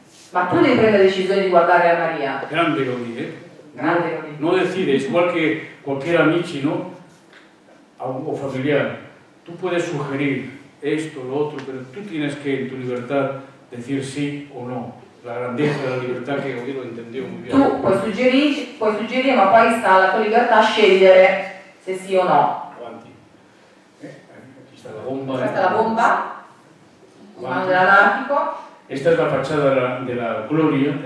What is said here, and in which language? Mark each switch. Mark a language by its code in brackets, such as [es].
[it] Ma tu devi prendere la decisione di guardare a Maria. Grande Gaudí, Grande Gaudí. [es] No decides, igual que cualquier amici, ¿no? O familiar. Tú puedes sugerir esto, lo otro, pero tú tienes que, en tu libertad, decir sí o no. [it] La grandezza della libertà che Gaudí lo intendeva molto bene. Tu puoi suggerire, ma poi sta la tua libertà a scegliere se sì o no. Avanti. Qui sta la bomba. Questa è la bomba. Mano dell'anarchico. Questa è la facciata della gloria.